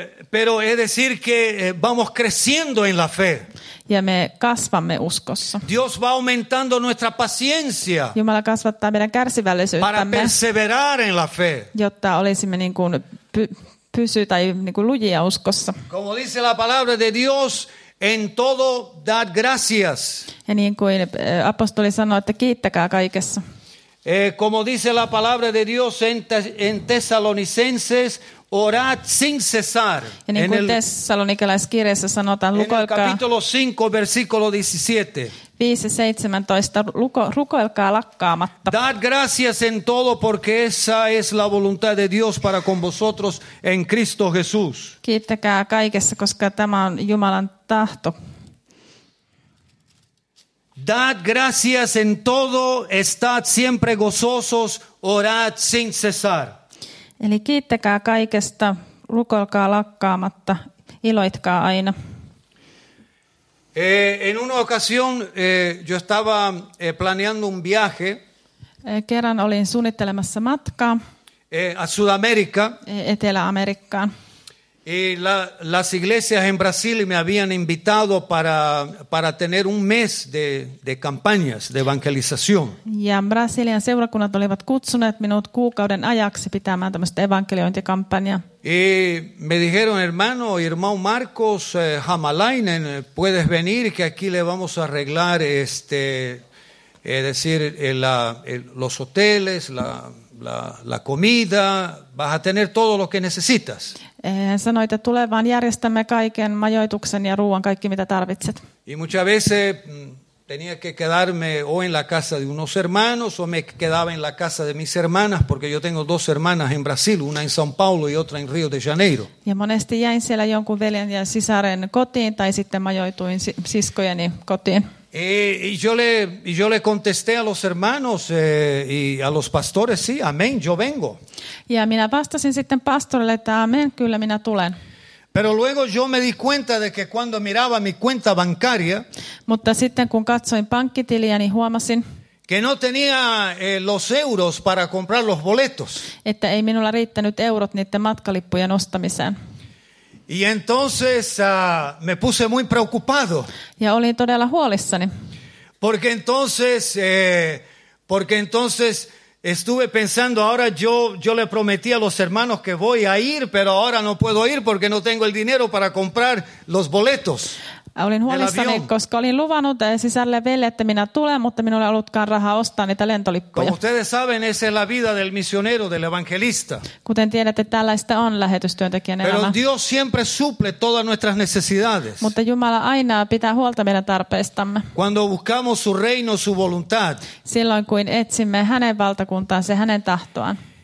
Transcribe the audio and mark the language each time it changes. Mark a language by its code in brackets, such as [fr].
[es] Pero es decir que vamos creciendo en la fe. [fi] Ja me kasvamme uskossa. [es] Dios va aumentando nuestra paciencia. [fi] Jumala kasvattaa meidän kärsivällisyyttämme. [es] Para perseverar en la fe. [fi] Jotta olisimme niin kuin pysy tai niin kuin lujia uskossa. [es] Como dice la palabra de Dios, en todo dad gracias. [fi] Ja niin kuin apostoli sanoi, että kiittäkää kaikessa. [es] Como dice la palabra de Dios en Tesalonicenses, orad sin cesar. [fi] Ja niin kuin tessalonikelaiskirjassa sanotaan, lukoilkaa. [es] En el capítulo 5, versículo 17. [fi] 5:17, rukoilkaa lakkaamatta. [es] Dad gracias en todo porque esa es la voluntad de Dios para con vosotros en Cristo Jesús. [fi] Kiittäkää kaikessa, koska tämä on Jumalan tahto. [es] Dad gracias en todo, estad siempre gozosos, orad sin cesar. [fi] Eli kiittäkää kaikesta, rukoilkaa lakkaamatta, iloitkaa aina. [es] En una ocasión yo estaba planeando un viaje. [fi] Kerran olin suunnittelemassa matkaa. [es] A Sudamérica. [fi] Etelä-Amerikkaan. [es] Y las iglesias en Brasil me habían invitado para tener un mes de campañas de evangelización. [fi] Ja Brasilian seurakunnat olivat kutsuneet minut kuukauden ajaksi pitämään tämmöistä evankeliointikampanjaa. [es] Y me dijeron, hermano y hermano Marcos Hamalainen, puedes venir que aquí le vamos a arreglar los hoteles, la comida, vas a tener todo lo que necesitas. [fi] Hän sanoi, että tule vaan, järjestämme kaiken majoituksen ja ruoan, kaikki mitä tarvitset. [es] Y muchas veces tenía que quedarme o en la casa de unos hermanos o me quedaba en la casa de mis hermanas porque yo tengo dos hermanas en Brasil, una en São Paulo y otra en Rio de Janeiro. [fi] Ja monesti jäin siellä jonkun veljen ja sisaren kotiin tai sitten majoituin siskojeni kotiin. [es] Y yo le contesté a los hermanos y a los pastores, sí, amén, yo vengo. [fi] Ja minä vastasin sitten pastorille, että amén, kyllä minä tulen. [es] Pero luego yo me di cuenta de que cuando miraba mi cuenta bankaria, [fi] mutta sitten kun katsoin pankkitiliäni, huomasin, [es] que no tenía los euros para comprar los boletos. [fi] Että ei minulla riittänyt eurot niiden matkalippujen ostamiseen. [es] Y entonces me puse muy preocupado. [fi] Ja olin todella huolissani. [es] Porque entonces estuve pensando, ahora yo le prometí a los hermanos que voy a ir, pero ahora no puedo ir porque no tengo el dinero para comprar los boletos. [fi] Olin huolissani, koska olin luvannut sisälle veljelle, että minä tulen, mutta minulla ei ollutkaan rahaa ostaa niitä lentolippuja. [es] Como ustedes saben, esa es la vida del misionero, del evangelista. [fi] Kuten tiedätte, tällaista on lähetystyöntekijän [es] Pero [fi] elämä. [es] Pero Dios siempre suple todas nuestras necesidades. [fi] Mutta Jumala aina pitää huolta meidän tarpeistamme. [es] Cuando buscamos su reino, su voluntad. [fi] Silloin kun etsimme hänen valtakuntaansa, hänen tahtoaan.